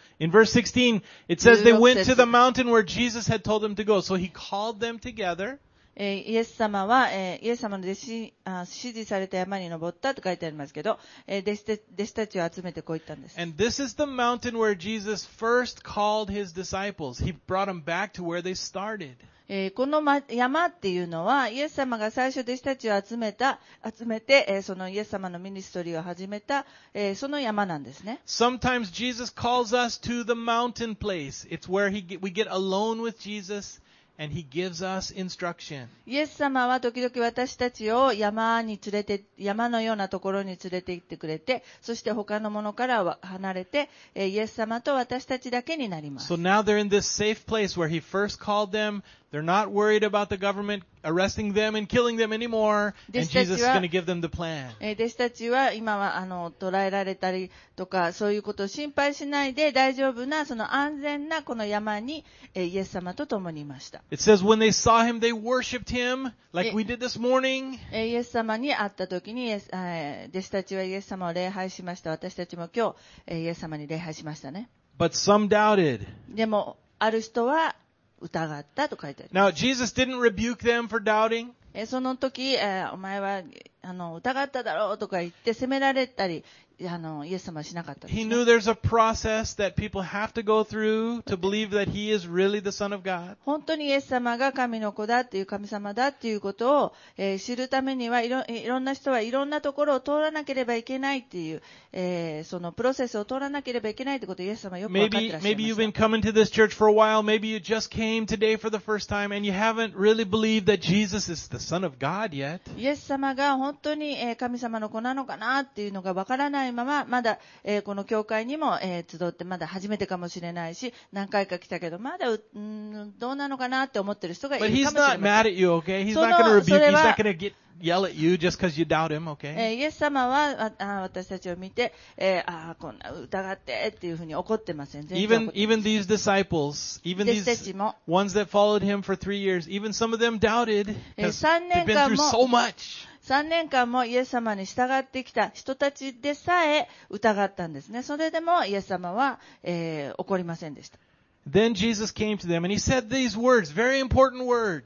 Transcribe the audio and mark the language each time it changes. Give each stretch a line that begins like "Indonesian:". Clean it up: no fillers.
English: In verse 16, it says they went to the mountain where Jesus had told them to go. So he called them together.
Japanese: イエス様は、イエス様の弟子、指示された山に登ったと書いてありますけど、弟子たちを集めてこう言ったんです。
English: And this is the mountain where Jesus first called his disciples. He brought them back to where they started.
Japanese: この山っていうのは、イエス様が最初弟子たちを集めて、そのイエス様のミニストリーを始めた、その山なんですね。
English: Sometimes Jesus calls us to the mountain place. It's where we get alone with Jesus and he gives us instruction.
Japanese: イエス様は時々私たちを山のようなところに連れて行ってくれて、そして他のものからは離れて、イエス様と私たちだけになります。
English: So now they're in this safe place where he first called them. They're not worried about the government arresting them and killing them anymore. And Jesus is going to give them the plan.
Japanese: 弟子たちは今は捕らえられたりとかそういうことを心配しないで大丈夫なその安全なこの山にイエス様と共にいました。
English: It says when they saw him, they worshipped him like we did this morning.
Japanese: イエス様に会った時に弟子たちはイエス様を礼拝しました。私たちも今日イエス様に礼拝しましたね。
English: But some doubted.
Japanese: でもある人は疑ったと書いてあります。
English: Now, Jesus didn't rebuke them for doubting.
Japanese: その時、お前は疑っただろうとか言って責められたり、イエス様はしなかったです、
English: ね。He knew there's a process that people have to go through to believe that he is really the Son of God.
Japanese: 本当にイエス様が神の子だっていう神様だっていうことを、知るためにはいろんな人はいろんなところを通らなければいけないっていう、そのプロセスを通らなければいけないってことをイエス様はよく分かってらっしゃいました。
English: Maybe you've been coming to this church for a while. Maybe you just came today for the first time and you haven't really believed that Jesus is the Son of God yet.
Japanese: イエス様が本当に神様の子なのかなっていうのが分からないまだこの教会にも集ってまだ初めてかもしれないし何回か来たけどまだどうなのかなって思ってる人がいるかもしれない。
English: But he's not mad at you, okay? He's not going to rebuke. He's not going to get yell at you just because you doubt him, okay?
Japanese: イエス様は私たちを見てこんな疑ってっていうふうに怒ってません。
English: Even these disciples, even these ones that followed him for three years, even some of them doubted because they've been through so much.
Japanese: 3年間もイエス様に従ってきた人たちでさえ疑ったんですね。それでもイエス様は、怒りませんでした。
English: Then Jesus came to them and he said these words, very important words.